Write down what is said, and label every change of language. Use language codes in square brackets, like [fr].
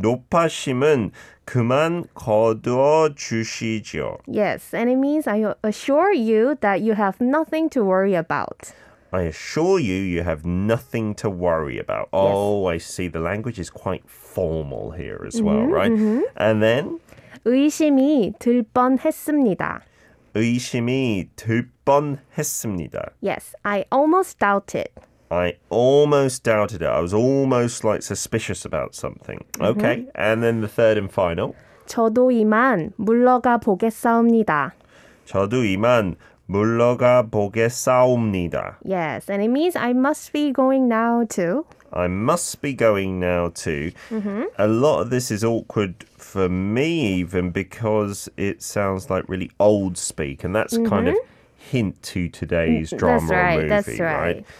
[ko] 노파심은 그만 거두어 주시지요. [en] Yes, and it means I assure you that you have nothing to worry about. I assure you, you have nothing to worry about. Oh, I see. The language is quite formal here as well, right? And then? [ko] 의심이 들 뻔했습니다. 의심이 들 뻔했습니다. [en] Yes, I almost doubted. I almost doubted it. I was almost like suspicious about something. Okay. Mm-hmm. And then the third and final. [ko] 저도 이만 물러가 보겠사옵니다. 저도 이만 물러가 보겠사옵니다. [en] Yes, and it means I must be going now too. I must be going now too. Mm-hmm. A lot of this is awkward for me even because it sounds like really old speak, and that's mm-hmm. kind of hint to today's drama that's right.